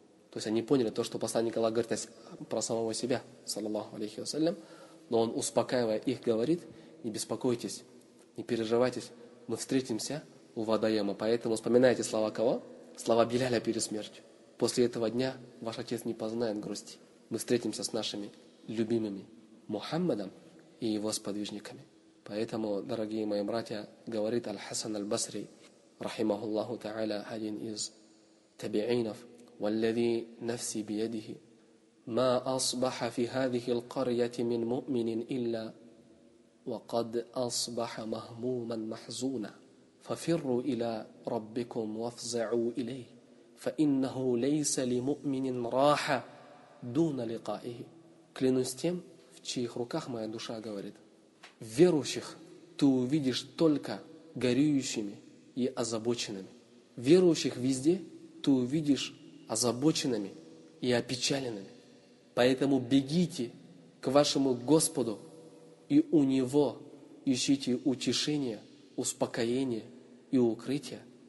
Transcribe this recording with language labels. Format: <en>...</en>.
<ru>То есть они поняли то, что посланник Аллах говорит про самого себя, саллаллаху алейхи вассалям, но он, успокаивая их, говорит: «Не беспокойтесь, не переживайтесь, мы встретимся у водоема». Поэтому вспоминайте слова кого? Слова Беляля перед смертью. «После этого дня ваш отец не познает грусти. Мы встретимся с нашими любимыми Мухаммадом и его сподвижниками». Поэтому, дорогие мои братья, говорит Аль-Хасан Аль-Басри,</ru> <ar>رحمه الله تعالى أحدٍ إذ تبعينه والذي نفسي بيده ما أصبح في هذه القرية من مؤمن إلا وقد أصبح مهموما محزونا ففروا إلى ربكم وافزعوا إليه فإنه ليس لمؤمن راحة دون لقائه.</ar> <ru>Клянусь тем, в чьих руках моя душа говорит, верующих ты увидишь только горюющими и озабоченными. Верующих везде ты увидишь озабоченными и опечаленными. Поэтому бегите к вашему Господу и у Него ищите утешение, успокоение и укрытие.</ru>